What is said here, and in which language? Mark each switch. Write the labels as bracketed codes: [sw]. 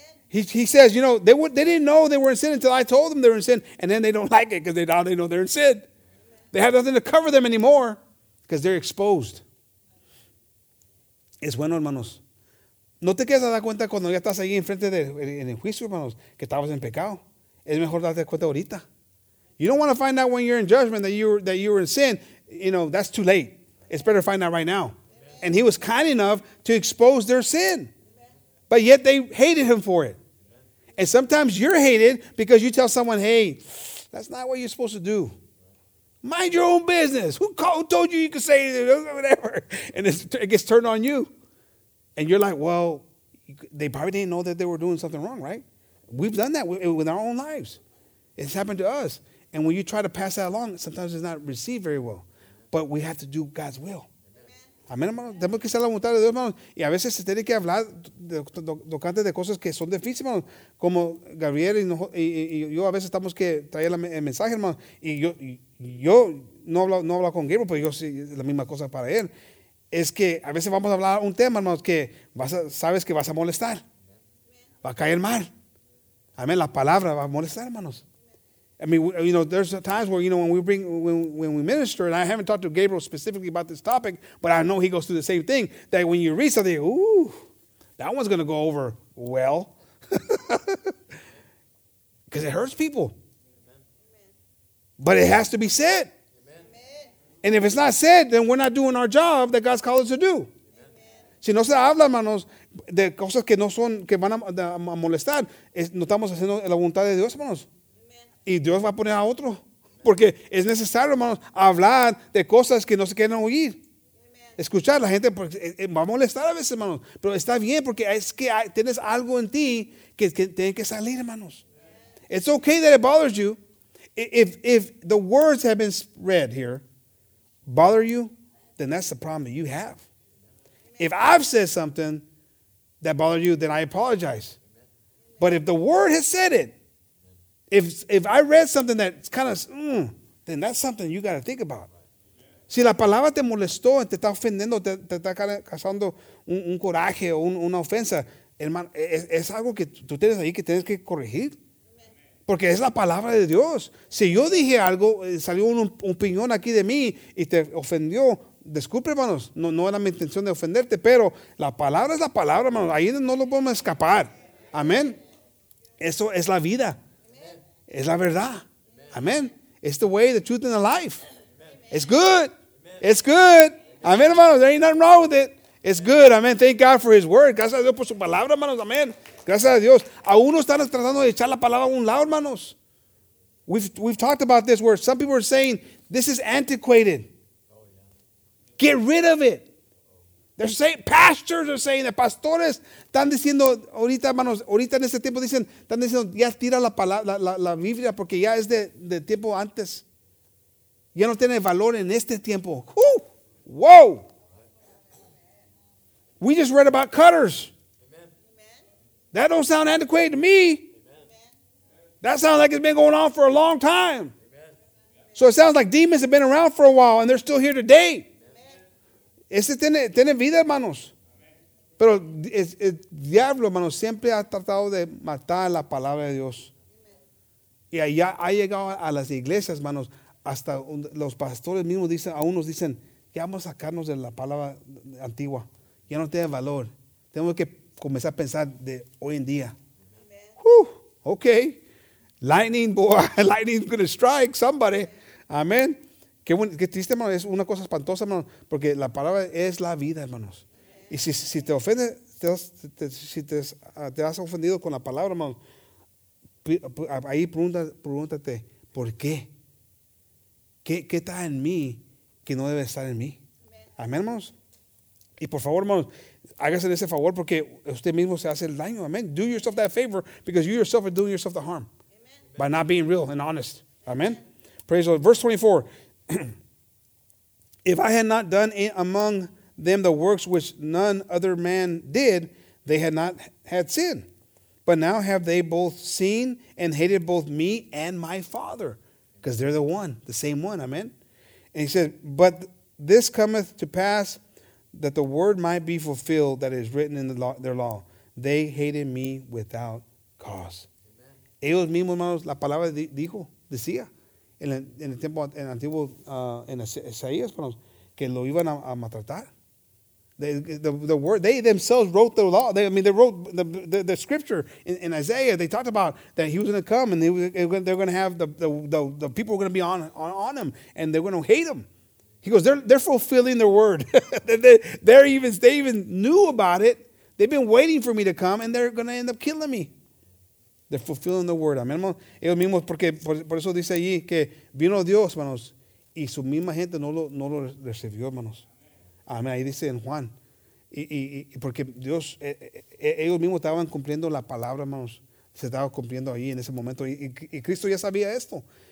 [en] He says, they didn't know they were in sin until I told them they were in sin, and then they don't like it because now they know they're in sin. Amen. They have nothing to cover them anymore because they're exposed. [es] Es bueno, hermanos. No te quedes a dar cuenta cuando ya estás ahí enfrente en el juicio, hermanos, que estabas en pecado. Es mejor darte cuenta ahorita. [en] You don't want to find out when you're in judgment that you were in sin. That's too late. It's better to find out right now. Amen. And he was kind enough to expose their sin. Amen. But yet they hated him for it. Amen. And sometimes you're hated because you tell someone, hey, that's not what you're supposed to do. Mind your own business. Who told you could say whatever? And it gets turned on you. And you're like, well, they probably didn't know that they were doing something wrong, right? We've done that with our own lives. It's happened to us. And when you try to pass that along, sometimes it's not received very well. But we have to do God's will. Amen, hermano. [es] Tenemos que hacer la voluntad de Dios, hermano. Y a veces se tiene que hablar tocante de cosas que son difíciles, hermano. Como Gabriel y yo a veces estamos que traer el mensaje, hermano. Y yo no hablo con Gabriel, pero yo sí, la misma cosa para él. Es que a veces vamos a hablar un tema, hermano, que sabes que vas a molestar. Va a caer mal. Amén. La palabra va a molestar, hermanos. [en] I mean, there's times where, when we minister, and I haven't talked to Gabriel specifically about this topic, but I know he goes through the same thing, that when you read something, ooh, that one's going to go over well. Because it hurts people. Amen. But it has to be said. Amen. And if it's not said, then we're not doing our job that God's called us to do. Amen. [es] Si no se habla, hermanos, de cosas que no son, que van a molestar, no estamos haciendo la voluntad de Dios, hermanos. Y Dios va a poner a otro. Porque es necesario, hermanos, hablar de cosas que no se quieren oír. Amen. Escuchar la gente va a molestar a veces, hermanos. Pero está bien porque es que tienes algo en ti que tiene que salir, hermanos. [en] Amen. It's okay that it bothers you. If the words have been read here bother you, then that's the problem that you have. Amen. If I've said something that bothered you, then I apologize. Amen. But if the word has said it, If I read something that's kind of, then that's something you got to think about. [es] Si la palabra te molestó, te está ofendiendo, te está causando un coraje o una ofensa, hermano, es algo que tú tienes ahí que tienes que corregir. Porque es la palabra de Dios. Si yo dije algo, salió un piñón aquí de mí y te ofendió, disculpe, hermanos, no era mi intención de ofenderte, pero la palabra es la palabra, hermanos. Ahí no lo podemos escapar. Amén. Eso es la vida. Es la verdad. Amén. [en] It's the way, the truth, and the life. Amen. It's good. Amen. It's good. [es] Amén, hermanos. [en] There ain't nothing wrong with it. It's good. Amén. Thank God for his word. [es] Gracias a Dios por su palabra, hermanos. Amén. Gracias a Dios. Aún no están tratando de echar la palabra a un lado, hermanos. [en] We've talked about this where some people are saying, this is antiquated. Get rid of it. They're saying, pastors are saying, the [es] pastores están diciendo ahorita, hermanos, ahorita en este tiempo dicen, están diciendo, ya tira la palabra, la Biblia, porque ya es de tiempo antes. Ya no tiene valor en este tiempo. ¡Woo! ¡Whoa! [en] We just read about cutters. Amen. That don't sound antiquated to me. Amen. That sounds like it's been going on for a long time. So it sounds like demons have been around for a while and they're still here today. [es] Ese tiene vida, hermanos. Pero el diablo, hermanos, siempre ha tratado de matar la palabra de Dios. Y allá ha llegado a las iglesias, hermanos. Hasta los pastores mismos dicen, a unos dicen, ya vamos a sacarnos de la palabra antigua. Ya no tiene valor. Tenemos que comenzar a pensar de hoy en día. [en] Okay. Lightning, boy. Lightning's going to strike somebody. Amén. [es] Qué triste, hermano. Es una cosa espantosa, hermano. Porque la palabra es la vida, hermanos. Y si te ofende, si te has ofendido con la palabra, hermano, ahí pregúntate, ¿por qué? ¿Qué está en mí que no debe estar en mí? Amén, hermanos. Y por favor, hermanos, hágase ese favor porque usted mismo se hace el daño. Amén. [en] Do yourself that favor because you yourself are doing yourself the harm. Amen. By not being real and honest. Amén. Praise the Lord. Verse 24. If I had not done it among them the works which none other man did, they had not had sin. But now have they both seen and hated both me and my Father. Because they're the one, the same one. Amen. And he said, but this cometh to pass that the word might be fulfilled that is written in the law, their law. They hated me without cause. Amen. [es] Ellos mismos, hermanos, la palabra dijo, decía, en el tiempo, en antiguo, en Isaías, hermanos, que lo iban a maltratar. [en] The word, they themselves wrote the law. They wrote the scripture in Isaiah. They talked about that he was going to come and they're going to have the people are going to be on him and they're going to hate him. He goes, they're fulfilling their word. they even knew about it. They've been waiting for me to come and they're going to end up killing me. They're fulfilling the word. Amén. [es] Ellos mismos, porque por eso dice allí que vino Dios, hermanos, y su misma gente no lo recibió, hermanos. Amén. Ahí dice en Juan. Y porque Dios, ellos mismos estaban cumpliendo la palabra, hermanos. Se estaba cumpliendo ahí en ese momento. Y Cristo ya sabía esto.